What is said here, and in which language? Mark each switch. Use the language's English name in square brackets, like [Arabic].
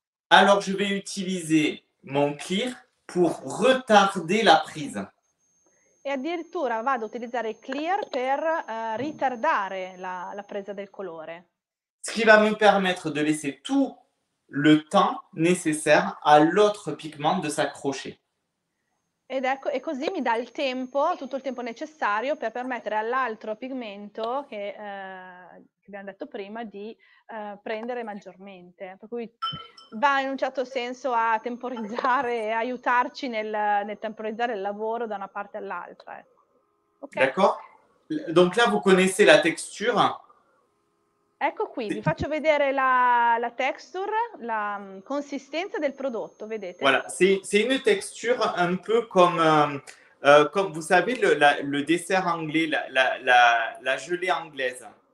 [French] Alors je vais utiliser mon clear pour retarder la prise. [Italian] E addirittura vado a utilizzare il clear per ritardare la presa del colore. Ce qui va me permettre de laisser tout le temps nécessaire à l'autre pigment de s'accrocher. Ed ecco, e così mi dà il tempo, tutto il tempo necessario per permettere all'altro pigmento che abbiamo detto prima di prendere maggiormente. Per cui va in un certo senso a temporizzare e aiutarci nel temporizzare il lavoro da una parte all'altra. [French] Okay. D'accord? Donc là vous connaissez la texture? [Italian] Ecco qui, vi faccio vedere la texture, la consistenza del prodotto, vedete? [French] Voilà, c'est une texture un peu comme, comme vous savez, le dessert anglais, la gelée anglaise.